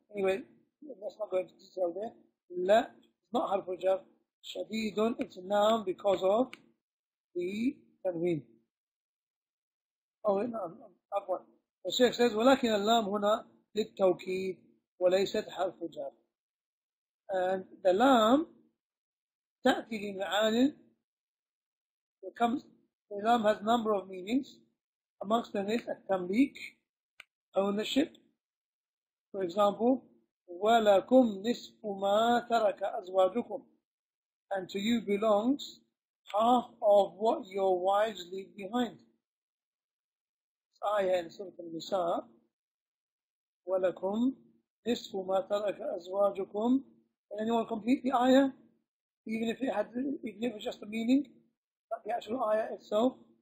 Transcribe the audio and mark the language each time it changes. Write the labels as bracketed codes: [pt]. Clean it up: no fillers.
[en] Anyway, let's not go into detail there. La is not harf jar. Shadidun, it's a noun because of the tanween. Oh, no, the Shaykh says, [ar] ولكن اللام هنا للتوكيد وليست حرف جر. [en] And the lam [ar] تأتي لمعان, [en] the lam has number of meanings. Amongst them is التمليك, ownership. For example, [ar] ولكم نصف ما ترك أزواجكم. [en] And to you belongs half of what your wives leave behind. Ayah in Surah Al-Nisa, [ar] وَلَكُمْ نِسْفُ مَا تَرَكَ أَزْوَاجُكُمْ. [en] Can anyone complete the ayah? Even if it had, even if it was just the meaning, not the actual ayah itself.